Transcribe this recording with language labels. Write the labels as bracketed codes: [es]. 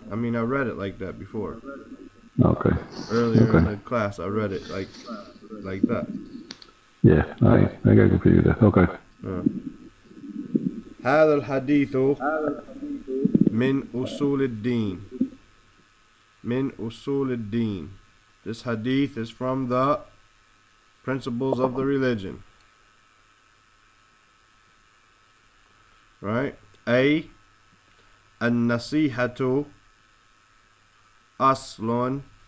[en] I mean, I read it like that before. Okay. Earlier in the class, I read it like that. Yeah, all right. I got confused. Okay. [ar] هذا الحديث من أصول الدين. من أصول الدين. [en] This hadith is from the principles of the religion. Right? A. [ar] An-nasihatu aslun.